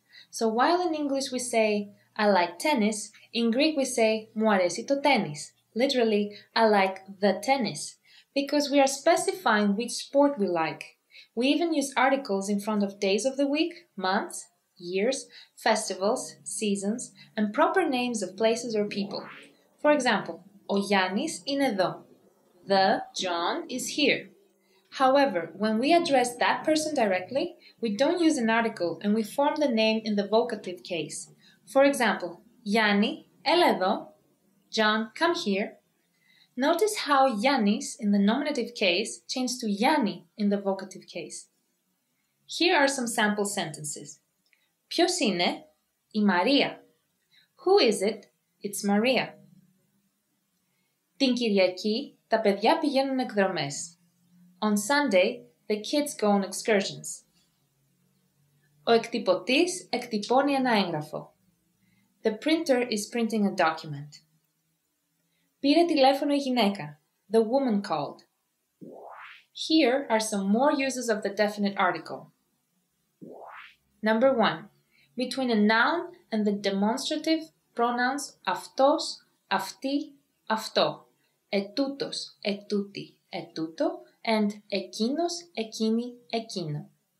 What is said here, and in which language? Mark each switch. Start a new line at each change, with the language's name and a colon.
English: So while in English we say, I like tennis, in Greek we say,
Greek: μου αρέσει το τένις.
English: Literally, I like the tennis. Because we are specifying which sport we like. We even use articles in front of days of the week, months, years, festivals, seasons, and proper names of places or people. For example,
Greek: ο Γιάννης είναι εδώ.
English: The John is here. However, when we address that person directly, we don't use an article and we form the name in the vocative case. For example,
Greek: Γιάννη, έλα εδώ.
English: John, come here. Notice how Yannis in the nominative case changed to Yanni in the vocative case. Here are some sample sentences.
Greek: Ποιος είναι? Η Μαρία.
English: Who is it? It's Maria.
Greek: Την Κυριακή, τα παιδιά πηγαίνουν εκδρομές.
English: On Sunday, the kids go on excursions.
Greek: Ο εκτυπωτής εκτυπώνει ένα έγγραφο.
English: The printer is printing a document.
Greek: Πήρε τηλέφωνο η γυναίκα.
English: The woman called. Here are some more uses of the definite article. Number 1. Between a noun and the demonstrative pronouns
Greek: αυτός, αυτή, αυτό, ετούτος, ετούτη, ετούτο, and εκείνος, εκείνη, εκείνο.